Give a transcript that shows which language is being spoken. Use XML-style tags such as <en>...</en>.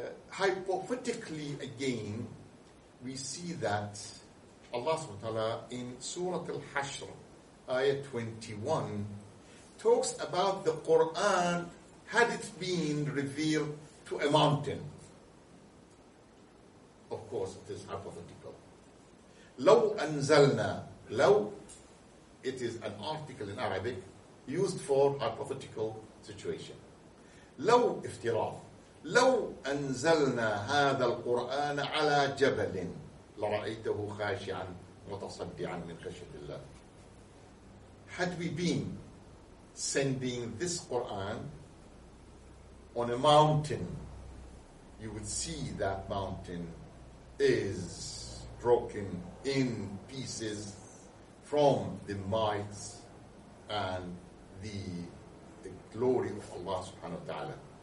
<en>Hypothetically, again, we see that Allah subhanahu wa ta'ala in Surah Al-Hashr, ayah 21, talks about the Quran had it been revealed to a mountain. Of course, it is hypothetical.</en> <ar>لو أنزلنا لو,</ar> <en>it is an article in Arabic used for hypothetical situation.</en> <ar>لو افتراض لو أنزلنا هذا القرآن على جبل لرأيته خاشعا متصدعا من خشية الله.</ar> <en>Had we been sending this Quran on a mountain, you would see that mountain is broken in pieces from the might and the glory of Allah subhanahu wa ta'ala.</en>